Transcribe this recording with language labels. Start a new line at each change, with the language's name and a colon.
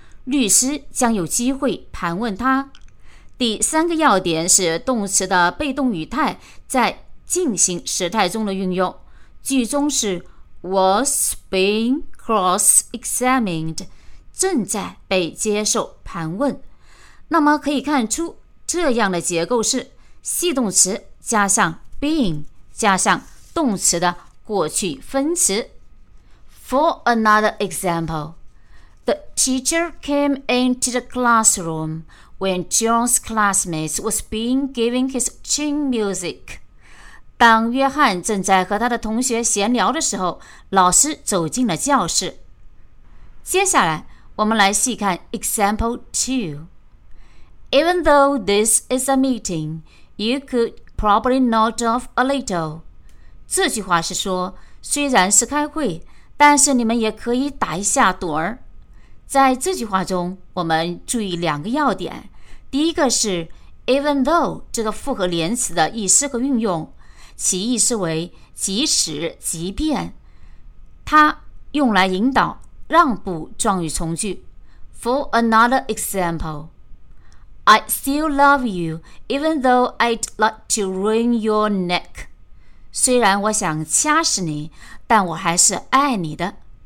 Chinese: 律师将有机会盘问他。第三个要点是动词的被动语态在进行时态中的运用，句中是
English: was being cross-examined，
Chinese: 正在被接受盘问。那么可以看出这样的结构是系动词加上 being 加上动词的过去分词。
English: For another example, the teacher came into the classroom when John's classmate was being given his chin music.
Chinese: 当约翰正在和他的同学闲聊的时候，老师走进了教室。接下来，我们来细看 Example 2.
English: Even though this is a meeting, you could probably nod off a little.
Chinese: 这句话是说，虽然是开会，但是你们也可以打一下盹儿。在这句话中，我们注意两个要点。第一个是 even though 这个复合连词的意思和运用，其意思为即使、即便，它用来引导让步状语从句。
English: For another example, I still love you even though I'd like to wring your neck.
Chinese: 虽然我想掐死你，但我还是爱你的。